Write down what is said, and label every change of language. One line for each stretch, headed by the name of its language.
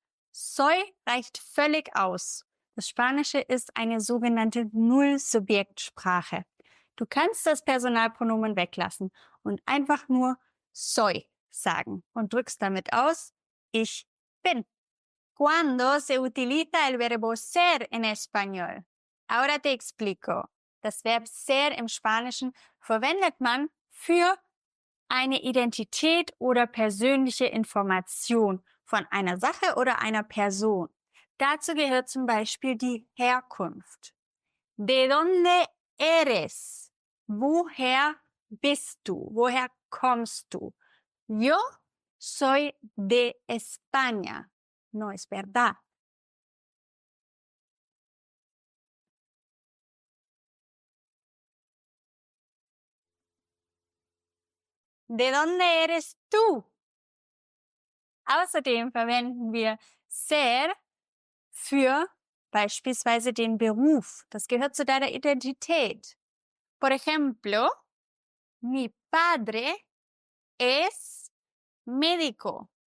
German: Soy reicht völlig aus. Das Spanische ist eine sogenannte Null-Subjektsprache. Du kannst das Personalpronomen weglassen und einfach nur soy sagen und drückst damit aus, ich bin.
Spanish: ¿Cuándo se utiliza el verbo ser en español? Ahora te explico.
German: Das Verb ser im Spanischen verwendet man für eine Identität oder persönliche Information von einer Sache oder einer Person. Dazu gehört zum Beispiel die Herkunft.
Spanish: ¿De dónde eres?
German: Woher bist du? Woher kommst du?
Spanish: Yo soy de España. No es verdad. ¿De dónde eres tú?
German: Außerdem verwenden wir ser für beispielsweise den Beruf. Das gehört zu deiner Identität.
Spanish: Por ejemplo, mi padre es médico.